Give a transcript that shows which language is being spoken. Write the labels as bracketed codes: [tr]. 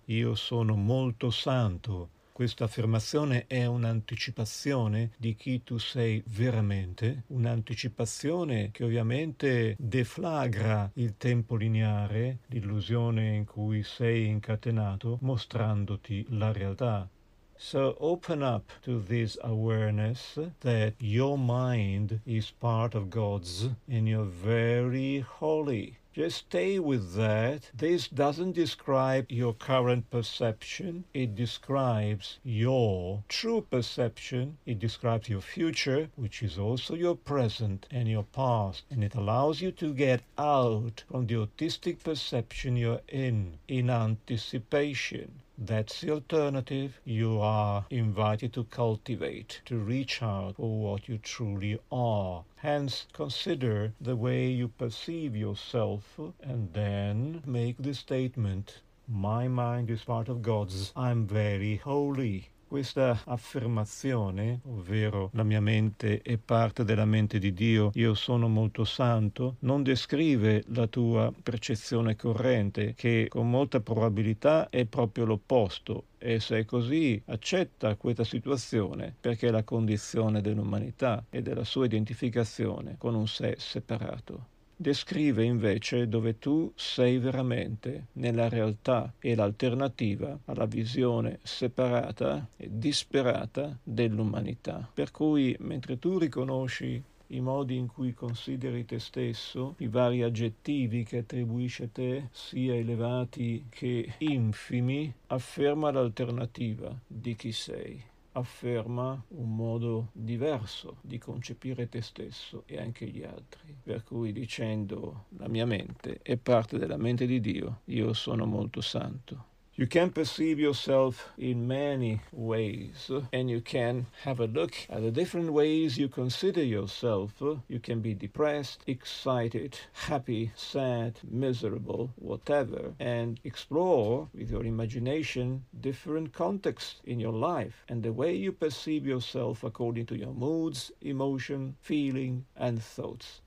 [it] Io sono molto santo. Questa affermazione è un'anticipazione di chi tu sei veramente, un'anticipazione che ovviamente deflagra il tempo lineare, l'illusione in cui sei incatenato, mostrandoti la realtà. [en] So open up to this awareness that your mind is part of God's and you're very holy. Just stay with that. This doesn't describe your current perception. It describes your true perception. It describes your future, which is also your present and your past. And it allows you to get out from the autistic perception you're in anticipation. That's the alternative you are invited to cultivate, to reach out for what you truly are. Hence, consider the way you perceive yourself and then make the statement, my mind is part of God's, I'm very holy. [it] Questa affermazione, ovvero la mia mente è parte della mente di Dio, io sono molto santo, non descrive la tua percezione corrente, che con molta probabilità è proprio l'opposto. E se è così, accetta questa situazione, perché è la condizione dell'umanità e della sua identificazione con un sé separato. Descrive invece dove tu sei veramente, nella realtà e l'alternativa alla visione separata e disperata dell'umanità. Per cui, mentre tu riconosci i modi in cui consideri te stesso, i vari aggettivi che attribuisci a te, sia elevati che infimi, afferma l'alternativa di chi sei. Afferma un modo diverso di concepire te stesso e anche gli altri. Per cui dicendo la mia mente è parte della mente di Dio, io sono molto santo. [en] You can perceive yourself in many ways, and you can have a look at the different ways you consider yourself. You can be depressed, excited, happy, sad, miserable, whatever, and explore with your imagination different contexts in your life and the way you perceive yourself according to your moods, emotion, feeling, and thoughts.